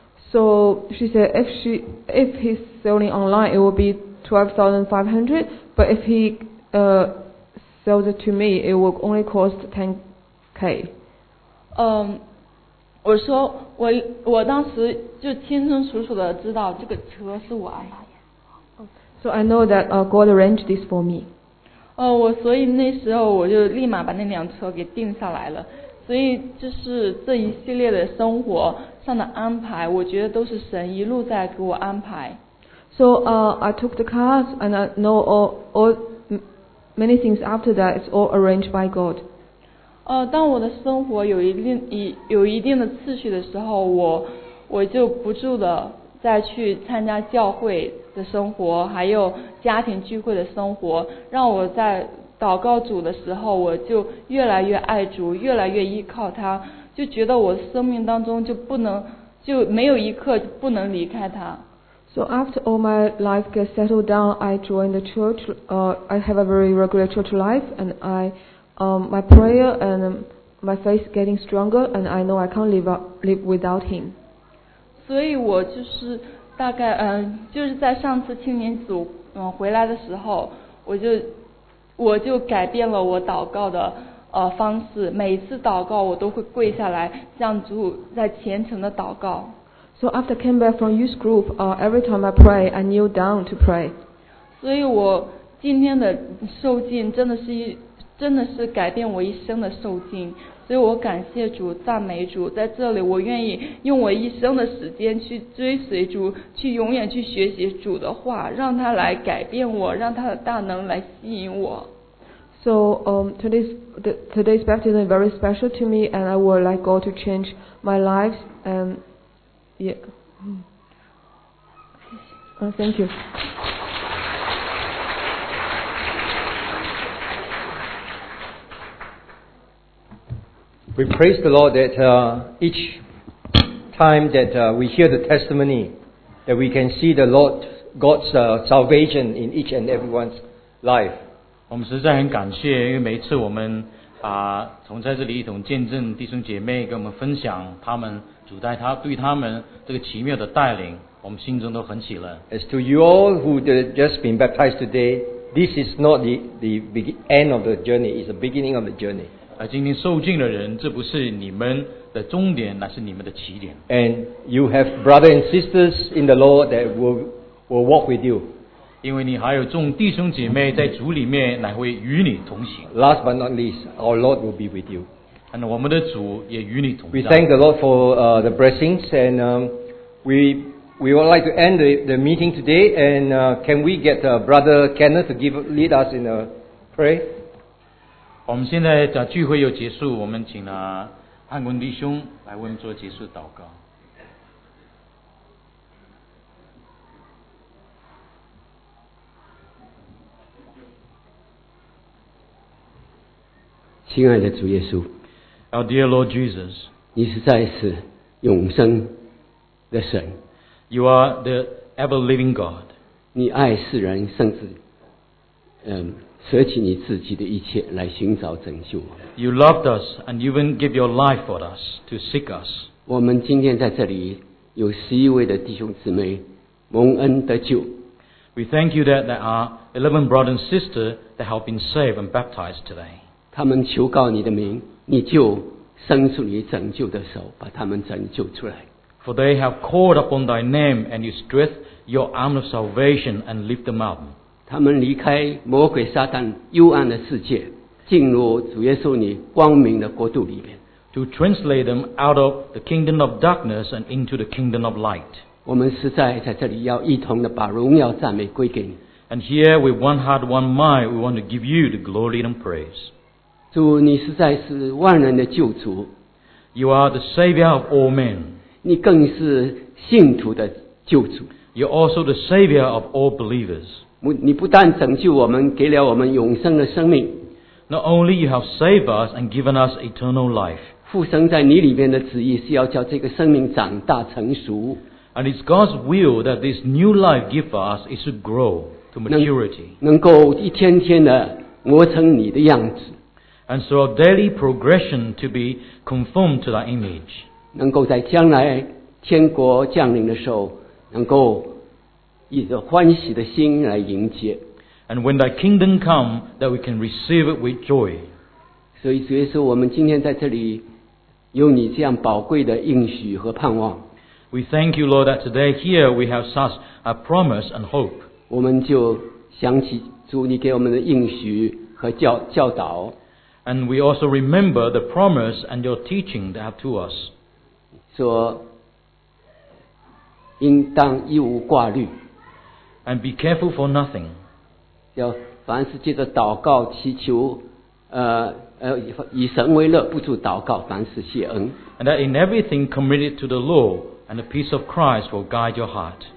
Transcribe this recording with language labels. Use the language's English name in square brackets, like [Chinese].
[English] So she said, if he's selling online, it will be 12,500. But if he sells it to me, it will only cost 10,000. [Chinese] 我说我当时就清清楚楚的知道这个车是我爱的。 [English] So I know that God arranged this for me. [Chinese] 我所以那时候我就立马把那辆车给定下来了，所以就是这一系列的生活上的安排，我觉得都是神一路在给我安排。 [English] So I took the cars and I know all many things after that is all arranged by God. [Chinese] 当我的生活有一定的次序的时候，我就不住的再去参加教会的生活，还有家庭聚会的生活，让我在祷告主的时候，我就越来越爱主，越来越依靠他，就觉得我生命当中就不能，就没有一刻不能离开他。 [English] So after all my life gets settled down, I join the church. I have a very regular church life, and I, my prayer and my faith getting stronger, and I know I can't live without him. [Chinese] 所以我就是。大概就是在上次青年组回来的时候，我就改变了我祷告的方式。每次祷告我都会跪下来向主在虔诚的祷告。 [English] So after came back from youth group, every time I pray, I kneel down to pray. [Chinese] 所以我今天的受浸真的是改变我一生的受浸。所以我感谢主，赞美主，在这里我愿意用我一生的时间去追随主，去永远去学习主的话，让他来改变我，让他的大能来吸引我。 [English] So today's baptism is very special to me, and I would like God to change my life. And yeah. Thank you. We praise the Lord that each time that we hear the testimony, that we can see the Lord God's salvation in each and everyone's life. [Chinese] 我们实在很感谢，因为每一次我们从在这里一同见证弟兄姐妹跟我们分享他们主带他对他们这个奇妙的带领，我们心中都很喜乐。 [English] As to you all who just been baptized today, this is not the end of the journey; it's the beginning of the journey. [Chinese] 今天受浸的人，这不是你们的终点，那是你们的起点。 [English] And you have brothers and sisters in the Lord that will walk with you. [Chinese] 因为你还有众弟兄姐妹在主里面，乃会与你同行。 [English] Last but not least, our Lord will be with you. And [Chinese] 我们的主也与你同行。 [English] We thank the Lord for the blessings, and we would like to end the meeting today. And can we get Brother Kenneth to lead us in a prayer? [Chinese] 我们现在的聚会又结束，我们请汉文弟兄来为我们做结束祷告。亲爱的主耶稣， [English] Our dear Lord Jesus， [Chinese] 你实在是永生的神。 [English] You are the ever living God。 [Chinese] 你爱世人，甚至舍弃你自己的一切来寻找拯救我们。 [English] You loved us and even gave your life for us to seek us。 [Chinese] 我们今天在这里有十一位的弟兄姊妹蒙恩得救。 [English] We thank you that there are 11 brothers and sisters that have been saved and baptized today。 [Chinese] 他们求告你的名，你就伸出你拯救的手，把他们拯救出来。 [English] For they have called upon thy name, and you stretch your arm of salvation and lift them up。 [Chinese] 他们离开魔鬼撒旦幽暗的世界，进入主耶稣你光明的国度里面。 [English] To translate them out of the kingdom of darkness and into the kingdom of light。 [Chinese] 我们实在在这里要一同的把荣耀赞美归给你。 [English] And here with one heart, one mind, we want to give you the glory and praise。 [Chinese] 主，你实在是万人的救主。 [English] You are the savior of all men。 [Chinese] 你更是信徒的救主。 [English] You're also the savior of all believers。 [Chinese] 你不但拯救我们，给了我们永生的生命。 [English] Not only you have saved us and given us eternal life。 [Chinese] 父神在你里面的旨意是要叫这个生命长大成熟。 [English] And it's God's will that this new life give us is to grow to maturity。 [Chinese] 能够一天天的磨成你的样子。 [English] And so our daily progression to be conformed to that image。 [Chinese] 能够在将来天国降临的时候，能够以着欢喜的心来迎接。 [English] And when thy kingdom come, that we can receive it with joy。 [Chinese] 所以主耶稣，我们今天在这里有你这样宝贵的应许和盼望。 [English] We thank you, Lord, that today here we have such a promise and hope。 [Chinese] 我们就想起主你给我们的应许和教导。 [English] And we also remember the promise and your teaching that have to us。 [Chinese] 说应当一无挂虑 [English] and be careful for nothing， [Chinese] 要凡事借着祷告祈求以神为乐，不住祷告，凡事谢恩。 [English] And that in everything committed to the Lord and the peace of Christ will guide your heart。